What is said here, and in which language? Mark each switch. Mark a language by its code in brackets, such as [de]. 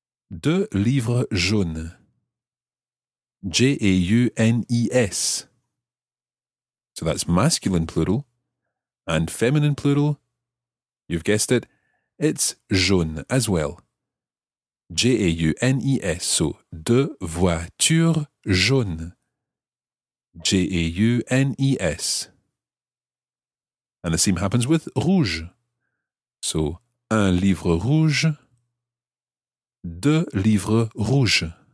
[fr] Deux livres jaunes. J-A-U-N-E-S. [en] So that's masculine plural. And feminine plural, you've guessed it, it's jaune as well. [fr] J-A-U-N-E-S, so deux voitures jaunes. J-A-U-N-E-S. [en] And the same happens with rouge. [fr] So un livre rouge, deux livres rouges.